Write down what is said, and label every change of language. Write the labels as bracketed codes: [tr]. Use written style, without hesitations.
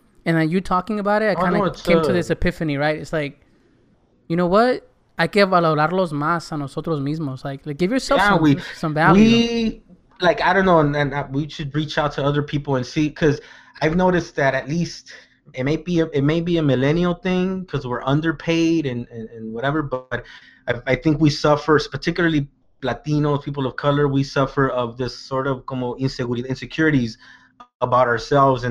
[en] And then you talking about it, I kind of came to this epiphany, right? It's like, you know what? [es] Hay que valorarlos más a nosotros mismos. [en] Like give yourself some value. I don't know, and we should reach out to other people and see, because I've noticed that at least it may be a millennial thing, because we're underpaid and whatever, but I think we suffer, particularly Latinos, people of color, we suffer of this sort of como insecurities about ourselves.